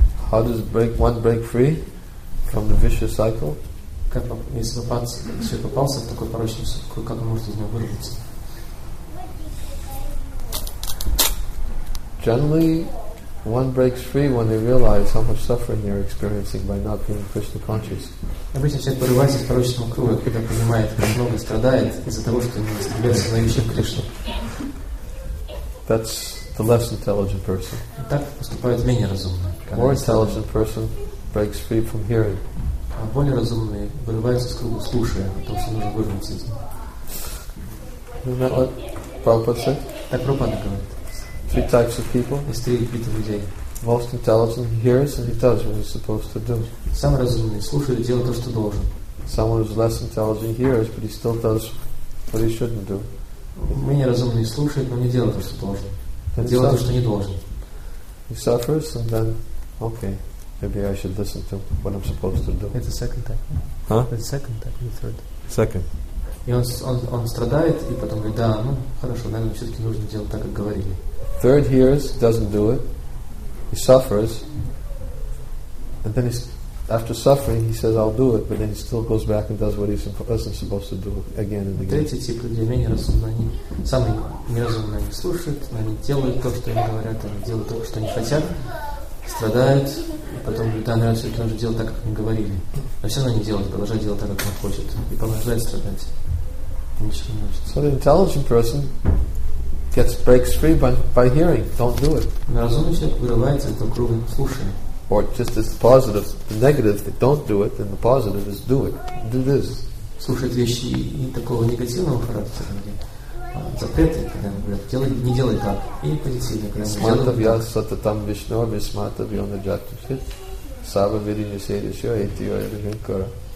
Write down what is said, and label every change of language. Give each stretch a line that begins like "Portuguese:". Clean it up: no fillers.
English: How does one break free from the vicious cycle? Generally, one breaks free when they realize how much suffering they're experiencing by not being Krishna conscious.
Russian: Обычно человек порывается в порочном кругу, когда понимает, как много страдает из-за того, что не становится знающим Кришну.
English: That's the less intelligent person.
Russian: Так поступает менее разумный.
English: More intelligent person breaks free from hearing.
Russian: А более разумный вырывается из круга, слушая, потому что нужно вырваться из него.
English: Isn't that what Prabhupada said?
Russian: Так Прабхупада говорит.
English: Three types of people.
Russian: Из три вида людей.
English: Most intelligent hears and he does what he's supposed to do.
Russian: Самый разумный слушает и делает то, что должен.
English: Someone who's less intelligent hears, but he still does what he shouldn't do.
Russian: Менее разумный слушает, но не делает то, что должен. Делает то, что не должен.
English: He suffers and then, okay, maybe I should listen to what I'm supposed to do. It's the second type. Huh? It's the second type, the third. Second.
Russian: И он страдает и потом говорит, да, ну хорошо, наверное, все-таки нужно делать так, как говорили.
English: Third hears, doesn't do it. He suffers, and then after suffering, he says, "I'll do it." But then he still goes back and does what he isn't supposed to do again and again.
Russian: Третий тип людей менее разумные. Они самые неразумные. Они слушают, они делают то, что им говорят, они делают то, что они хотят, страдают, и потом говорят, "Да, наверное, все-таки нужно делать так, как мы говорили." Но все равно не делают, продолжают делать так, как он хочет, и продолжают страдать. Ничего не учится.
English: So the intelligent person gets breaks free by hearing. Don't do it.
Russian: Разумный человек вырывается из круга слушания.
English: Or just as the positive, the negative, they don't do it, and the positive is do it. Do this.
Russian: Слушает вещи и такого негативного характера, где запреты, когда говорят, не делай так, и позитивно, когда делай так.
Sanskrit: Смартов я сата там вишно, висматов я на джатушит, сава види не сейдешо, эйтио эйрихинкара.